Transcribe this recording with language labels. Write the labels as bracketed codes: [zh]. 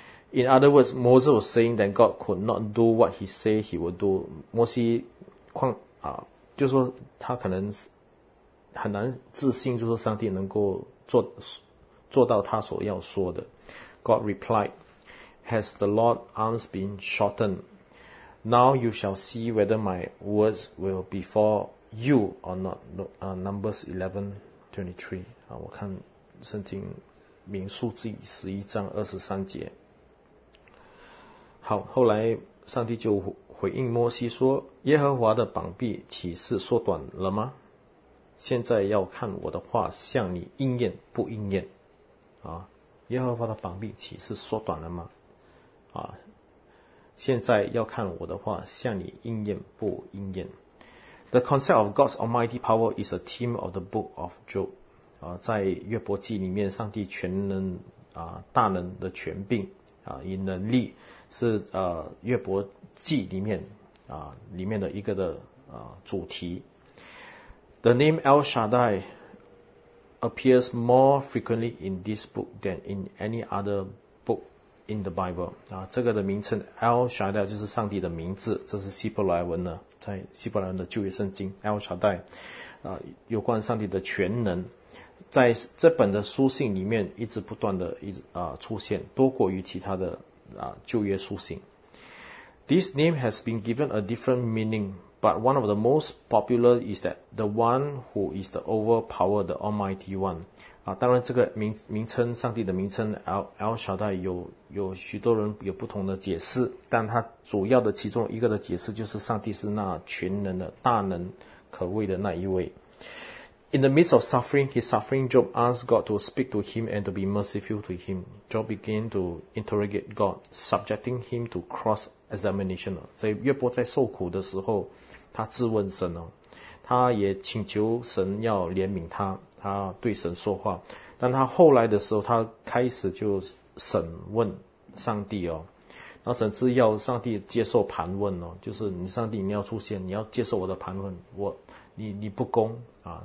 [en] In other words, Moses was saying that God could not do what he said he would do. [zh] 摩西旷啊，就说他可能很难自信，就说上帝能够做到他所要说的。 [en] God replied, "Has the Lord's arms been shortened? Now you shall see whether my words will be for you or not." Numbers 11:23. [zh] 我看圣经民数记11:23。好，后来上帝就回应摩西说：“耶和华的膀臂岂是缩短了吗？现在要看我的话向你应验不应验。啊，耶和华的膀臂岂是缩短了吗？啊，现在要看我的话向你应验不应验。 [en] The concept of God's almighty power is a theme of the book of Job。 [zh] 啊，在约伯记里面，上帝全能啊大能的权柄啊以能力是约伯记里面啊里面的一个的主题。 [en] The name El Shaddai appears more frequently in this book than in any other book in the Bible. [zh] 啊，这个的名称 El Shaddai 就是上帝的名字，这是希伯来文的，在希伯来文的旧约圣经 El Shaddai， 啊，有关上帝的全能，在这本的书信里面一直不断的出现，多过于其他的旧约书信。 [en] This name has been given a different meaning. But one of the most popular is that the one who is the overpower, the Almighty One. [zh] 啊，当然这个名称，上帝的名称 El Shaddai 有许多人有不同的解释，但它主要的其中一个的解释就是上帝是那全能的大能可畏的那一位。 [en] In the midst of suffering, his suffering, Job asked God to speak to him and to be merciful to him. Job began to interrogate God, subjecting him to cross examination. [zh] 所以约伯在受苦的时候，他质问神哦，他也请求神要怜悯他，他对神说话。但他后来的时候，他开始就审问上帝哦，那甚至要上帝接受盘问哦，就是你上帝你要出现，你要接受我的盘问，你不公啊。